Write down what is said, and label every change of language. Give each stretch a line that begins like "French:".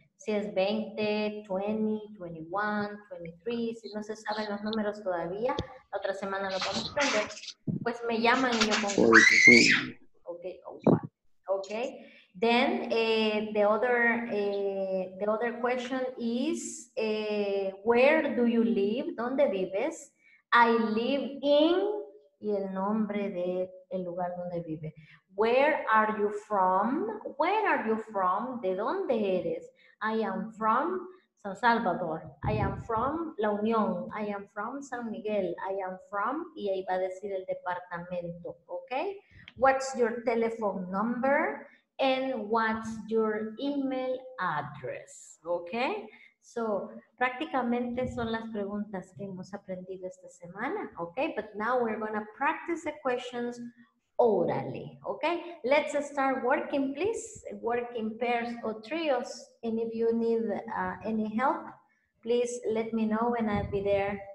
Spanish: Si es 20, 20, 21, 23, si no se saben los números todavía, la otra semana lo vamos a aprender, pues me llaman y yo pongo.
English: Okay. Then the other question is, where do you live?
Spanish: ¿Dónde vives?
English: I live in,
Spanish: y el nombre de el lugar donde vive.
English: Where are you from? Where are you from?
Spanish: ¿De dónde eres?
English: I am from San Salvador. I am from La Unión. I am from San Miguel. I am from,
Spanish: y ahí va a decir el departamento, okay?
English: What's your telephone number? And what's your email address, okay?
Spanish: So, prácticamente son las preguntas que hemos aprendido esta semana, okay?
English: But now we're going to practice the questions orally, okay? Let's start working, please. Work in pairs or trios. And if you need any help, please let me know and I'll be there,